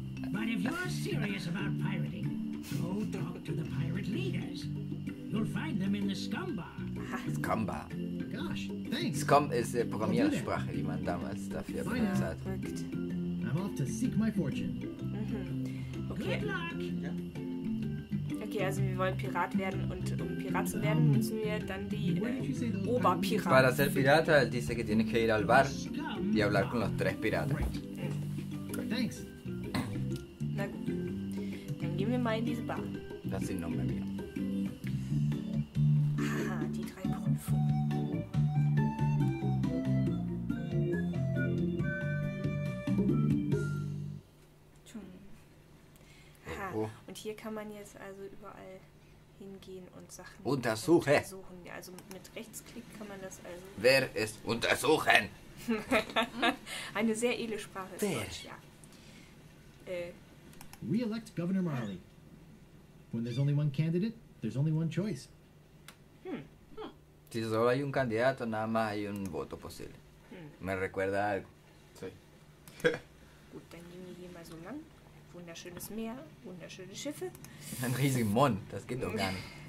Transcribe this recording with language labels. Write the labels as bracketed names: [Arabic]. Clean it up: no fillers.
[English] But if you're serious about pirating, go talk to the pirate leaders. You'll find them in the scum bar. Scum bar. Gosh, thanks. [German] Scum ist die Programmiersprache, die man damals dafür benutzt hat. [English] I'm off to seek my fortune. Okay. Good luck. Yeah. [German] Okay, also wir wollen Pirat werden und um Pirat zu werden, müssen wir dann die Oberpiraten. [Spanish] Para ser pirata, él dice que tienes que ir al bar y hablar con los tres piratas. [English] Thanks. [German] Na gut. Dann gehen wir mal in diese Bar. Das sind noch mehr wir. Aha, die drei Prüfungen. Und hier kann man jetzt also überall hingehen und Sachen untersuchen. Ja, also mit Rechtsklick kann man das also... Wer ist untersuchen? Eine sehr edle Sprache ist Wer? Deutsch, ja. [English] Re-elect Governor Marley. When there's only one candidate, there's only one choice. [Spanish] Si solo hay un candidato, nada más hay un voto posible. Me recuerda algo. Sí. [German] Gut, dann gehen wir hier mal so lang. Wunderschönes Meer, wunderschöne Schiffe. Ein riesiger Mond, das geht doch gar nicht.